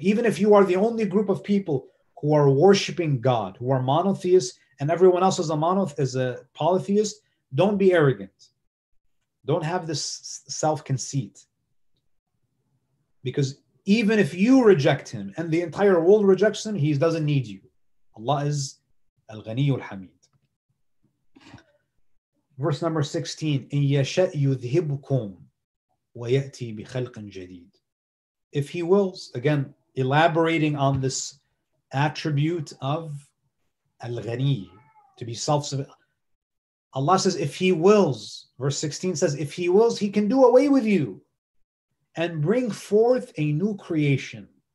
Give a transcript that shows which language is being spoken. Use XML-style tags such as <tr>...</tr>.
<en>Even if you are the only group of people who are worshiping God, who are monotheists, and everyone else is a polytheist, don't be arrogant. Don't have this self-conceit. Because even if you reject Him and the entire world rejects Him, He doesn't need you. Allah is al-ghaniyul hamid. Verse number 16,</en> <ar>إِن يَشَأْ يُذْهِبْكُمْ وَيَأْتِي بِخَلْقٍ جَدِيدٍ.</ar> <en>If He wills, again, elaborating on this attribute of al-ghani, to be self-sufficient. Allah says, if He wills, verse 16 says, if He wills, He can do away with you and bring forth a new creation.</en>